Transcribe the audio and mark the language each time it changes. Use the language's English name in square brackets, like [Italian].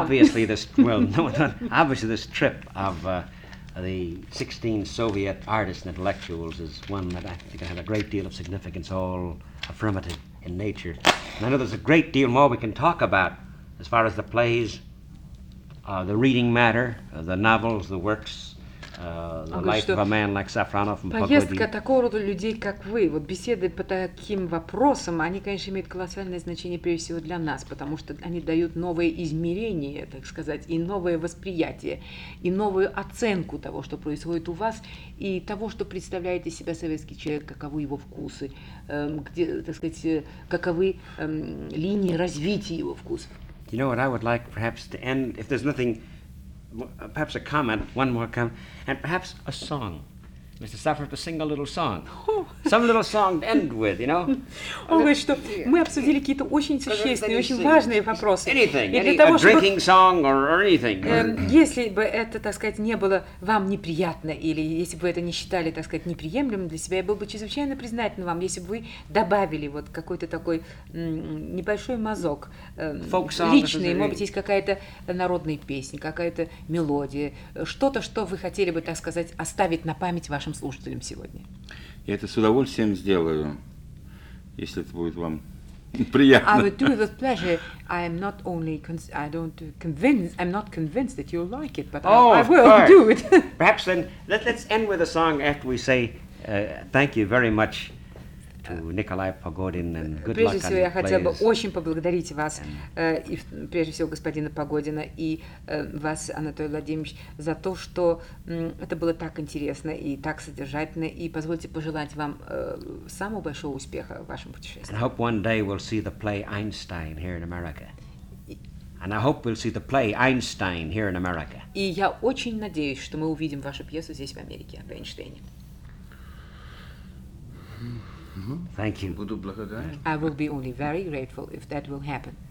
[English] Obviously, this obviously this trip of the 16 Soviet artists and intellectuals is one that I think had a great deal of significance, all affirmative in nature. And I know there's a great deal more we can talk about as far as the plays, the reading matter, the novels, the works. [Russian] Поездка такого рода людей, как вы, вот беседы по таким вопросам, они, конечно, имеют колоссальное значение прежде всего для нас, потому что они дают новые измерения, так сказать, и новое восприятие, и новую оценку того, что происходит у вас, и того, что представляет из себя советский человек, каковы его вкусы, где, так сказать, каковы линии развития его вкусов. [English] You know what I would like perhaps to end, if there's nothing... Perhaps a comment, one more comment, and perhaps a song. Mr. Safarov, to sing a little song. Some little song to end with, you know? [Russian] Ой, что, мы обсудили какие-то очень существенные, очень важные вопросы. [English] Anything, a drinking song or anything. [Russian] Если бы это, так сказать, не было вам неприятно, или если бы вы это не считали, так сказать, неприемлемым для себя, я был бы чрезвычайно признателен вам, если бы вы добавили вот какой-то такой небольшой мазок личный, может быть, есть какая-то народная песня, какая-то мелодия, что-то, что вы хотели бы, так сказать, оставить на память вашим слушателям сегодня. Я это с удовольствием сделаю, если это будет вам приятно. [English] I would do it with pleasure. I am not only I don't convince. I'm not convinced that you'll like it, but I will do it. Perhaps then let's end with a song after we say thank you very much to Nikolai Pogodin and good luck. [Russian] Прежде всего, я хотела бы очень поблагодарить вас, и прежде всего господина Погодина и вас, Анатолий Владимирович, за то, что это было так интересно и так содержательно, и позвольте пожелать вам самого большого успеха в вашем путешествии. [English] And I hope one day we'll see the play Einstein here in America. And I hope we'll see the play Einstein here in America. [Russian] И я очень надеюсь, что мы увидим вашу пьесу здесь в Америке об Эйнштейне. [English] Thank you. [Russian] Буду благодарен. [English] I will be only very grateful if that will happen.